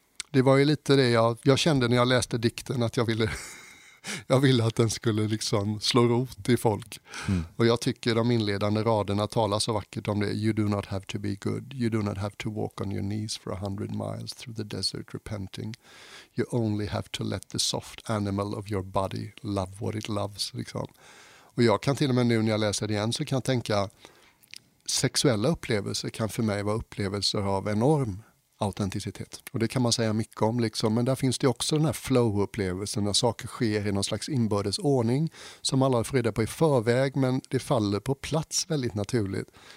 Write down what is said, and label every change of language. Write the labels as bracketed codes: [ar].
[sv] Det var ju lite det jag kände när jag läste dikten, att jag ville att den skulle liksom slå rot i folk. Mm. Och jag tycker de inledande raderna talar så vackert om det. [en] You do not have to be good. You do not have to walk on your knees for 100 miles through the desert repenting. You only have to let the soft animal of your body love what it loves. [sv] Liksom. Och jag kan till och med nu när jag läser det igen så kan jag tänka, sexuella upplevelser kan för mig vara upplevelser av enorm autenticitet. Och det kan man säga mycket om liksom, men där finns det också den här flow-upplevelsen när saker sker i någon slags inbördes ordning som alla får reda på i förväg, men det faller på plats väldigt naturligt.